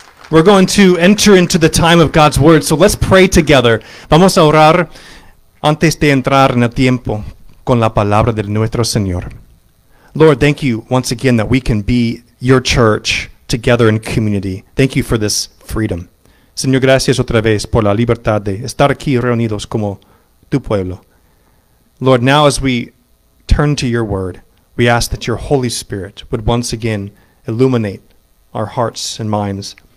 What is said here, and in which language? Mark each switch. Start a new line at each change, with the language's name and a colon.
English: We're going to enter into the time of God's Word. So let's pray together.
Spanish: Vamos a orar antes de entrar en el tiempo con la palabra de nuestro Señor.
English: Lord, thank you once again that we can be your church together in community. Thank you for this freedom.
Spanish: Señor, gracias otra vez por la libertad de estar aquí reunidos como tu pueblo.
English: Lord, now as we turn to your word, we ask that your Holy Spirit would once again illuminate our hearts and minds.